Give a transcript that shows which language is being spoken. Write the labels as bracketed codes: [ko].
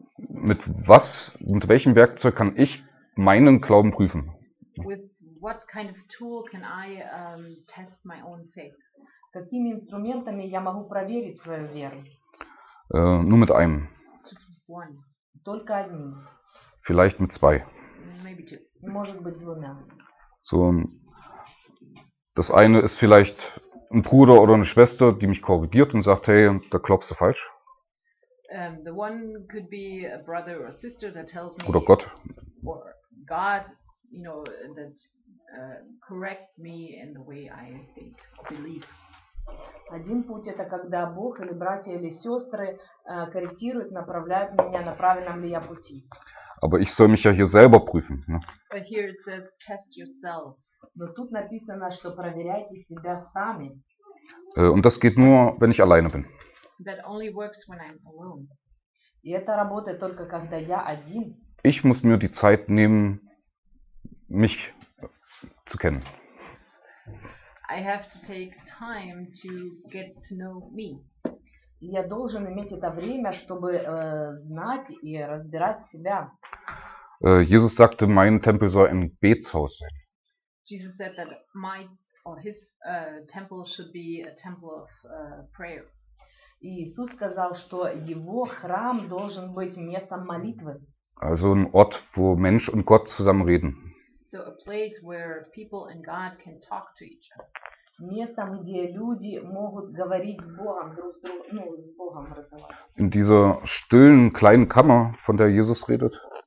[de] Mit was, mit welchem Werkzeug kann ich meinen Glauben prüfen? [en] With what kind of tool can I test my own faith? [ru] Какими инструментами я могу проверить свою веру? [de] Nur mit einem. [en] Just one. [ru] Только одним. [de] Vielleicht mit zwei. [ru] Может быть, двумя. [de] So, das eine ist vielleicht ein Bruder oder eine Schwester, die mich korrigiert und sagt, hey, da glaubst du falsch. [en] The one could be a brother or sister that tells me, [de] oder Gott. [en] Or God, you know, that correct me in the way I think, believe. [ru] Один путь — это когда Бог или братья или сестры корректируют, направляют меня на правильном ли я пути. [de] Aber ich soll mich ja hier selber prüfen, ne? [en] But here it says test yourself. [ru] Но тут написано, что проверяйте себя сами. [de] Und das geht nur, wenn ich alleine bin. [en] That only works when I'm alone. [ru] И это работает только когда я один. [de] Ich muss mir die Zeit nehmen, mich zu kennen. [en] I have to take time to get to know me. [ru] Я должен иметь это время, чтобы знать и разбирать себя. [de] Jesus sagte, mein Tempel soll ein Betshaus sein. [en] Jesus said that my or his temple should be a temple of prayer. [ru] Иисус сказал, что его храм должен быть местом молитвы. [de] Also ein Ort, wo Mensch und Gott zusammen reden. [en] So a place where people and God can talk to each other. [ru] Местом, где люди могут говорить с Богом, друг с другом, ну, с Богом разговаривать. [de] In dieser stillen kleinen Kammer, von der Jesus redet.